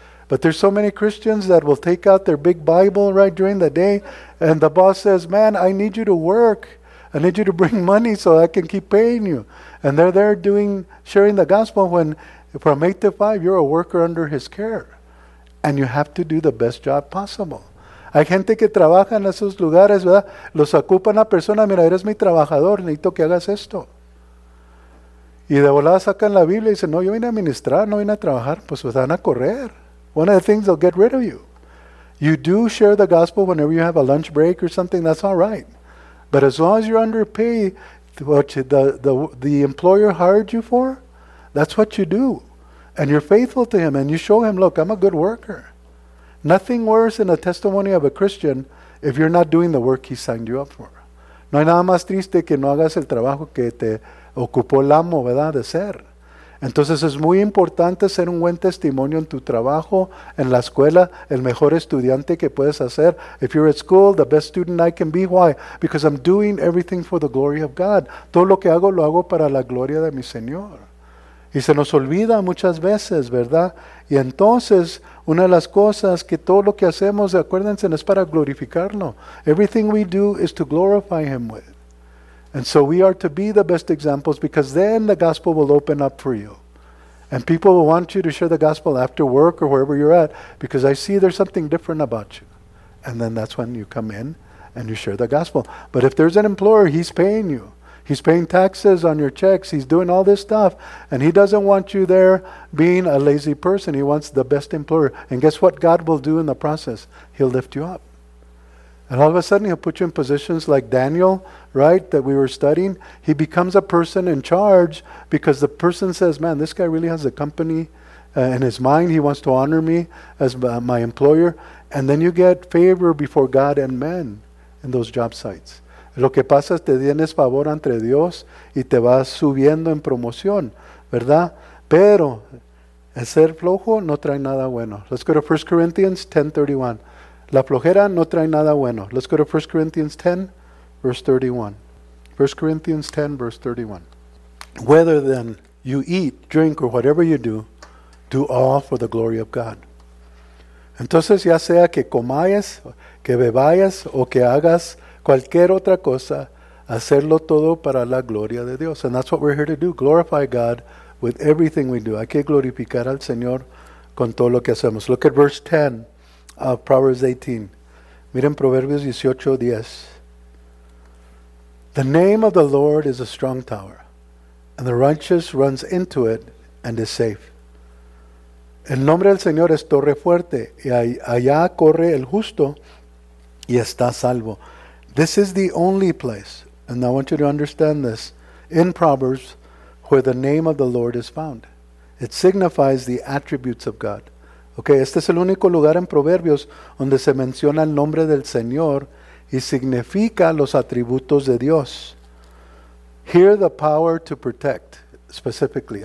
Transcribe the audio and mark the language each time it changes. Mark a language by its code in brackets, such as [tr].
[en] But there's so many Christians that will take out their big Bible right during the day, and the boss says, man, I need you to work. I need you to bring money so I can keep paying you. And they're there doing, sharing the gospel when from 8 to 5, you're a worker under his care. And you have to do the best job possible. [es] Hay gente que trabaja en esos lugares, ¿verdad? Los ocupa una persona, mira, eres mi trabajador, necesito que hagas esto. Y de volada sacan la Biblia y dicen, no, yo vine a ministrar, no vine a trabajar. Pues se van a correr. [en] One of the things, they'll get rid of you. You do share the gospel whenever you have a lunch break or something, that's all right. But as long as you're underpaid, what the employer hired you for, that's what you do. And you're faithful to him and you show him, look, I'm a good worker. Nothing worse than a testimony of a Christian if you're not doing the work he signed you up for. [es] No hay nada más triste que no hagas el trabajo que te ocupó el amo, ¿verdad?, de ser. Entonces es muy importante ser un buen testimonio en tu trabajo, en la escuela, el mejor estudiante que puedes hacer. [en] If you're at school, the best student I can be. Why? Because I'm doing everything for the glory of God. [es] Todo lo hago para la gloria de mi Señor. Y se nos olvida muchas veces, ¿verdad? Y entonces, una de las cosas que todo lo que hacemos, acuérdense, es para glorificarlo. [en] Everything we do is to glorify him with. And so we are to be the best examples because then the gospel will open up for you. And people will want you to share the gospel after work or wherever you're at because I see there's something different about you. And then that's when you come in and you share the gospel. But if there's an employer, he's paying you. He's paying taxes on your checks. He's doing all this stuff. And he doesn't want you there being a lazy person. He wants the best employer. And guess what God will do in the process? He'll lift you up. And all of a sudden, he'll put you in positions like Daniel, right, that we were studying. He becomes a person in charge because the person says, man, this guy really has a company in his mind. He wants to honor me as my employer. And then you get favor before God and men in those job sites. [es] Lo que pasa es que tienes favor entre Dios y te vas subiendo en promoción, ¿verdad? Pero el ser flojo no trae nada bueno. [en] Let's go to 1 Corinthians 10:31. [es] La flojera no trae nada bueno. [en] Let's go to 1 Corinthians 10, verse 31. 1 Corinthians 10, verse 31. Whether then you eat, drink, or whatever you do, do all for the glory of God. [es] Entonces, ya sea que comáis, que bebáis, o que hagas cualquier otra cosa, hacerlo todo para la gloria de Dios. [en] And that's what we're here to do. Glorify God with everything we do. [es] Hay que glorificar al Señor con todo lo que hacemos. [en] Look at verse 10. Of Proverbs 18. [es] Miren Proverbios 18:10. [en] The name of the Lord is a strong tower, and the righteous runs into it and is safe. [es] El nombre del Señor es torre fuerte, y allá corre el justo y está salvo. [en] This is the only place, and I want you to understand this, in Proverbs, where the name of the Lord is found. It signifies the attributes of God. [es] Okay, este es el único lugar en Proverbios donde se menciona el nombre del Señor y significa los atributos de Dios. [en] Here the power to protect, specifically.